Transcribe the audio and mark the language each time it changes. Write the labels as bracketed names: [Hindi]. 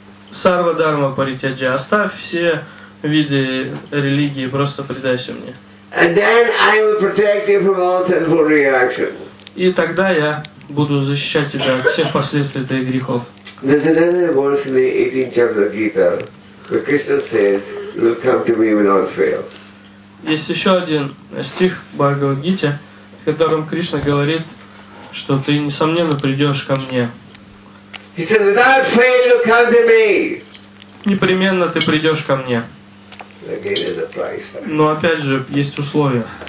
[Sanskrit] Сарва дхарма паритяджа, [Russian] оставь все виды религии, просто предайся мне. [English] And then I will protect you from all sinful reactions. [Russian] И тогда я буду защищать тебя от всех последствий твоих грехов. [English] There's another verse in the 18th chapter of Gita, where Krishna says, "You'll come to me without fail." [Russian] Есть еще один стих Бхагавад-гите, в котором Кришна говорит, что ты, несомненно, придешь ко мне. [English] He says, without fail, you'll come to me. [Russian] Непременно ты придешь ко мне. [English] Again, there's a price tag. [Russian] Но опять же, есть условия.